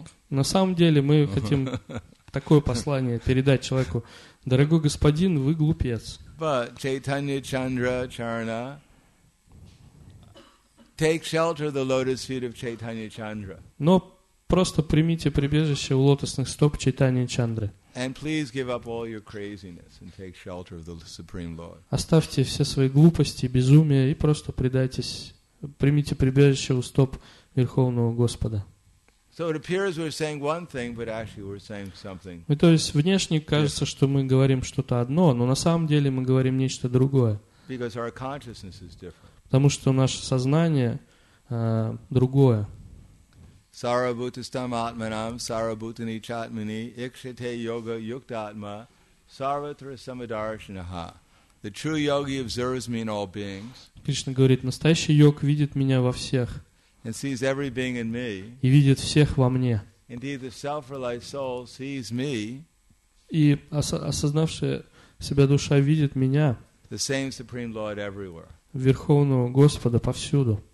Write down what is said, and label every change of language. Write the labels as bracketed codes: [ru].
[ru] На самом деле мы хотим такое послание передать человеку. Дорогой господин, вы глупец. [en] But Chaitanya Chandra Charana, take shelter the lotus feet of Chaitanya Chandra. [ru] Но просто примите прибежище у лотосных стоп Чайтаньи Чандры. [en] And please give up all your craziness and take shelter of the Supreme Lord. [ru] Оставьте все свои глупости, безумие и просто предайтесь, примите прибежище у стоп Верховного Господа. [en] So it appears we're saying one thing, but actually we're saying something. [ru] Ну, то есть внешне кажется, что мы говорим что-то одно, но на самом деле мы говорим нечто другое. [en] Because our consciousness is different. [ru] Потому что наше сознание другое. [sa] Sarabhutastam atmanam, sarabhutani chatmani, ikshate yoga yuktatma, sarvatra samadarshanaha. [en] The true yogi observes me in all beings. [ru] Кришна говорит, настоящий йог видит меня во всех. [en] And sees every being in me. [ru] И видит всех во мне. [en] Indeed, the self-realized soul sees me. [ru] И осознавшая себя душа видит меня. [en] The same Supreme Lord everywhere. [ru] Верховного Господа повсюду.